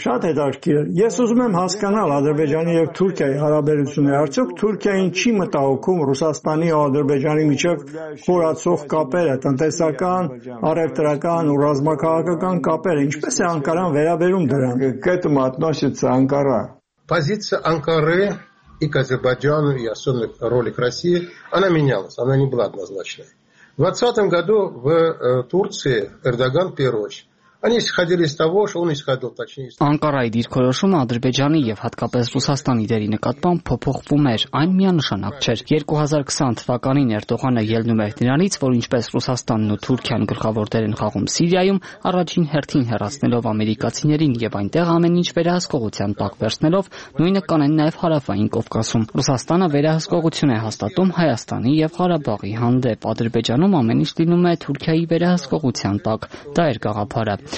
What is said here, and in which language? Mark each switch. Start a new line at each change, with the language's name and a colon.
Armenian: Շատ հետաքրքիր։ Ես ուզում եմ հասկանալ Ադրբեջանի եւ Թուրքիայի հարաբերությունները, արդյոք Թուրքիան ինչի մտահոգում Ռուսաստանի ու Ադրբեջանի միջև խորացող կապերը, տնտեսական, առևտրական ու ռազմաքաղաքական կապերը, ինչպես է Անկարան վերաբերում դրան։ Կետը մատնաշեց Անկարա։
Russian: Позиция Анкары и Азербайджана и особенно роли России, она менялась, она не была однозначной. В 20-м году в Турции Эрдоган первый
Armenian: Անկարայի դիրքորոշումը Ադրբեջանի և հատկապես Ռուսաստանի դերի նկատմամբ փոփոխվում էր, այն միանշանակ չէր։ 2020 թվականին Էրդողանը ելնում էր նրանից, որ ինչպես Ռուսաստանն ու Թուրքիան գլխավոր դեր են խաղում Սիրիայում, առաջին հերթին հեռացնելով ամերիկացիներին և այնտեղ ամեն ինչ վերահսկողության տակ վերցնելով, նույնը կանեն նաև Հարավային Կովկասում։ Ռուսաստանը վերահսկողություն է հաստատում Հայաստանի և Ղարաբաղի հանդեպ, Ադրբեջանում ամեն ինչ լինում է Թուրքիայի վերահսկողության տակ, դա էր գաղափարը։